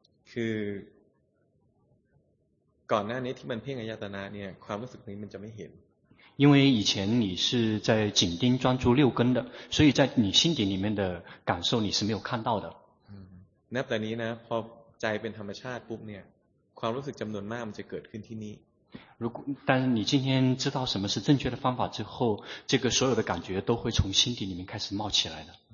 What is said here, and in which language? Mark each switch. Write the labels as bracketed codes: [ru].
[th] คือก่อนหน้านี้ที่มันเพ่งอายตนะเนี่ยความรู้สึกนี้มันจะไม่เห็น。 [zh] 因为以前你是在紧盯专注六根的，所以在你心底里面的感受你是没有看到的。 [th] นับแต่นี้นะพอใจเป็นธรรมชาติปุ๊บเนี่ยความรู้สึกจำนวนมากมันจะเกิดขึ้นที่นี่ [zh] 如果但是你今天知道什么是正确的方法之后这个所有的感觉都会从心底里面开始冒起来的